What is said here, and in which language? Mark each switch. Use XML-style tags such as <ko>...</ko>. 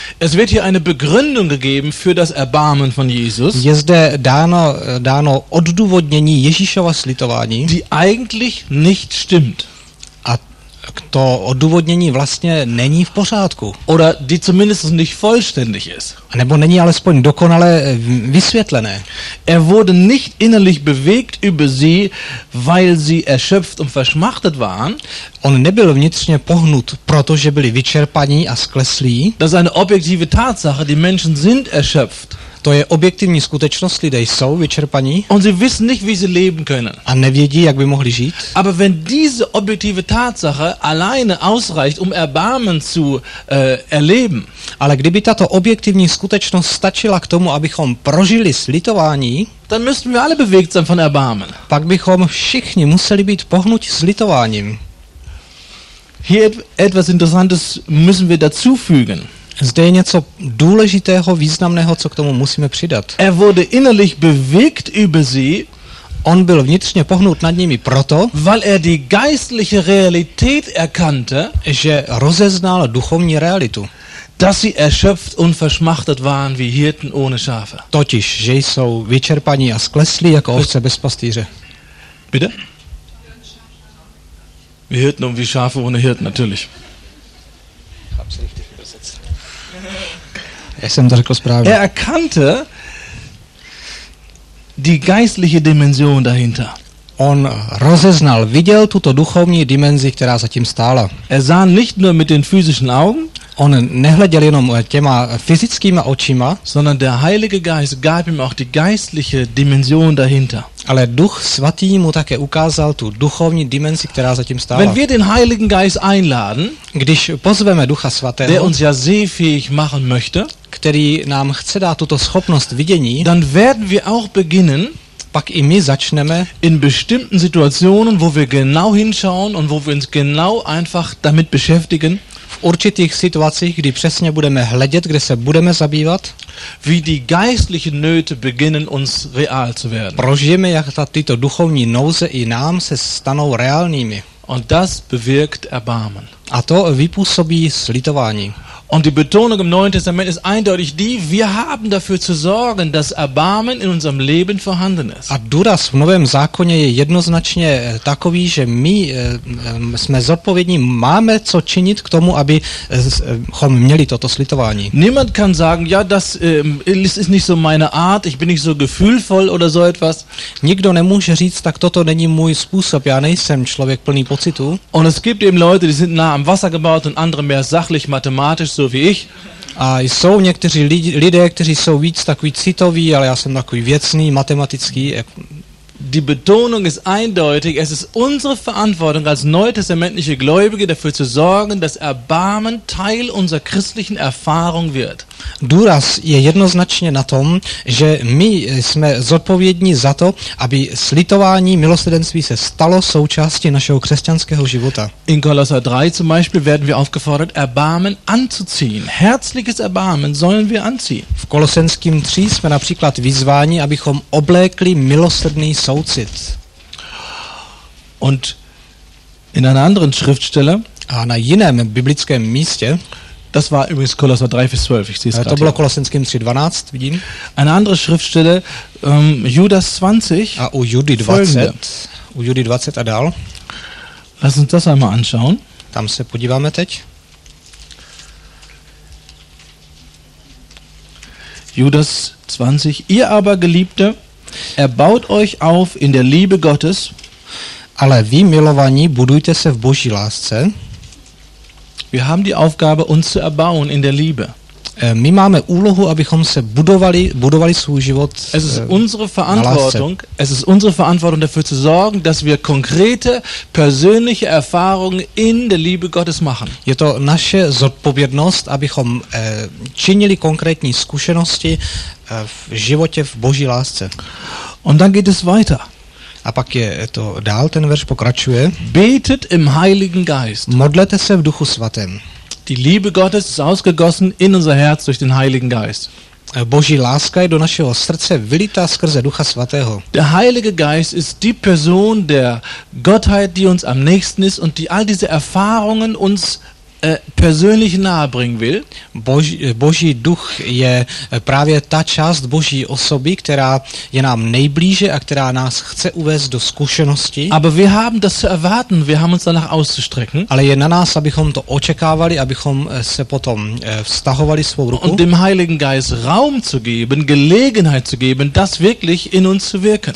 <de>Es wird hier eine Begründung gegeben für das Erbarmen von Jesus.</de> <cs>Je zde dáno odůvodnění Ježíšova slitování,</cs> <de>die eigentlich nicht stimmt.</de> <cs>A to odůvodnění vlastně není v pořádku.</cs> <de>Oder die zumindest nicht vollständig ist.</de> <cs>A nebo není alespoň dokonale vysvětlené.</cs> <de>Er wurde nicht innerlich bewegt über sie, weil sie erschöpft und verschmachtet waren.</de> <cs>On nebyl vnitřně pohnut, protože byli vyčerpaní a skleslí.</cs> <de>Das ist eine objektive Tatsache, die Menschen sind erschöpft.</de> <cs>To je objektivní skutečnost, lidé jsou vyčerpaní.</cs> <de>Und sie wissen nicht, wie sie leben können.</de> <cs>A nevědí, jak by mohli žít.</cs> <de>Aber wenn diese objektive Tatsache alleine ausreicht, um Erbarmen zu erleben.</de> <cs>Ale kdyby tato objektivní skutečnost stačila k tomu, abychom prožili slitování,</cs> <de>dann müssten wir alle bewegt sein von Erbarmen.</de> <cs>Pak bychom všichni museli být pohnuti slitováním.</cs> <de>Hier etwas Interessantes müssen wir dazufügen.</de> <cs>Zde je něco důležitého, významného, co k tomu musíme přidat.</cs> <de>Er wurde innerlich bewegt über sie,</de> <cs>on byl vnitřně pohnut nad nimi proto,</cs> <de>weil er die geistliche Realität erkannte,</de> <cs>že rozeznal duchovní realitu.</cs> <de>Dass sie erschöpft und verschmachtet waren wie Hirten ohne Schafe.</de> <cs>Totiž, že jsou vyčerpaní a skleslí jako ovce bez pastýře.</cs> <de>Bitte? Wie Hirten und wie Schafe ohne Hirten, natürlich. Er erkannte die geistliche Dimension dahinter.</de> <cs>On rozeznal, viděl tuto duchovní dimenzi, která zatím stála.</cs> <de>Er sah nicht nur mit den physischen Augen,</de> <cs>on nehleděl jenom těma fyzickýma očima,</cs> <de>sondern der Heilige Geist gab ihm auch die geistliche Dimension dahinter.</de> <cs>Ale Duch Svatý mu také ukázal tu duchovní dimenzi, která zatím stála.</cs> <de>Wenn wir den Heiligen Geist einladen,</de> <cs>když pozveme Ducha Svatého,</cs> <de>der uns ja sehfähig machen möchte,</de> <cs>který nám chce dát tuto schopnost vidění,</cs> <de>dann werden wir auch beginnen,</de> <cs>pak i my začneme</cs> <de>in bestimmten Situationen, wo wir genau hinschauen und wo wir uns genau einfach damit beschäftigen,</de> <cs>v určitých situacích, kdy přesně budeme hledět, kde se budeme zabývat,</cs> <de>wie die geistlichen Nöte beginnen uns real zu werden.</de> <cs>Prožijeme, jak tyto duchovní nouze i nám se stanou reálnými.</cs> <de>Und das bewirkt Erbarmen.</de> <cs>A to vypůsobí slitování.</cs> <de>Und die Betonung im Neuen Testament ist eindeutig die, wir haben dafür zu sorgen, dass Erbarmen in unserem Leben vorhanden ist.</de> <cs>A důraz v Novém zákoně je jednoznačně takový, že my jsme zodpovědní, máme co činit k tomu, abychom měli toto slitování.</cs> <de>Niemand kann sagen, ja, das ist nicht so meine Art, ich bin nicht so gefühlvoll oder so etwas.</de> <cs>Nikdo nemůže říct, tak toto není můj způsob, já nejsem člověk plný pocitů.</cs> <de>Und es gibt eben Leute, die sind nah am Wasser gebaut und andere mehr sachlich, mathematisch. So wie ich.</de> <cs>A jsou někteří lidé, kteří jsou víc takový citoví, ale já jsem takový věcný, matematický.</cs> <de>Die Betonung ist eindeutig, es ist unsere Verantwortung als neutestamentliche Gläubige dafür zu sorgen, dass Erbarmen Teil unserer christlichen Erfahrung wird.</de> <cs>Důraz je jednoznačně na tom, že my jsme zodpovědní za to, aby slitování, milosrdenství se stalo součástí našeho křesťanského života.</cs> <de>In Kolosser 3 zum Beispiel werden wir aufgefordert, Erbarmen anzuziehen. Herzliches Erbarmen sollen wir anziehen.</de> <cs>V Kolosenským 3 jsme například vyzváni, abychom oblékli milosrdný soucit.</cs> <de>Und in einer anderen Schriftstelle,</de> <cs>a na jiném biblickém místě,</cs> <de>das war übrigens Kolosser 3, Vers 12, ich sehe es gerade.</de> <cs>To bylo Kolosenským 3, 12, vidím.</cs> <de>Eine andere Schriftstelle, Judas 20,</de> <cs>a u Judy 20, u Judy 20 a dál.</cs> <de>Lass uns das einmal anschauen.</de> <cs>Tam se podíváme teď.</cs> <de>Judas 20, ihr aber Geliebte, erbaut euch auf in der Liebe Gottes.</de> <cs>Ale vy, milovaní, budujte se v Boží lásce.</cs> <de>Wir haben die Aufgabe, uns zu erbauen in der Liebe.</de> <cs>My máme úlohu, abychom se budovali svůj život.</cs> <de>Es ist unsere Verantwortung, dafür zu sorgen, dass wir konkrete persönliche Erfahrungen in der Liebe Gottes machen.</de> <cs>Je to naše zodpovědnost, abychom činili konkrétní zkušenosti v životě v Boží lásce.</cs> <de>Und dann geht es weiter.</de> <cs>A pak je to dál, ten verš pokračuje.</cs> <de>Betet im Heiligen Geist.</de> <cs>Modlete se v Duchu svatém.</cs> <de>Die Liebe Gottes ist ausgegossen in unser Herz durch den Heiligen Geist.</de> <cs>Boží láska je do našeho srdce vylita skrze Ducha svatého.</cs> <de>Der Heilige Geist ist die Person der Gottheit, die uns am nächsten ist und die all diese Erfahrungen uns persönlich nahe bringen will.</de> <cs>Boží duch je právě ta část Boží osoby, která je nám nejblíže a která nás chce uvést do zkušenosti.</cs> <de>Aber wir haben das zu erwarten, wir haben uns danach auszustrecken.</de> <cs>Ale je na nás, abychom to očekávali, abychom se potom vztahovali svou ruku.</cs> <de>Und dem Heiligen Geist Raum zu geben, Gelegenheit zu geben, das wirklich in uns zu wirken.</de>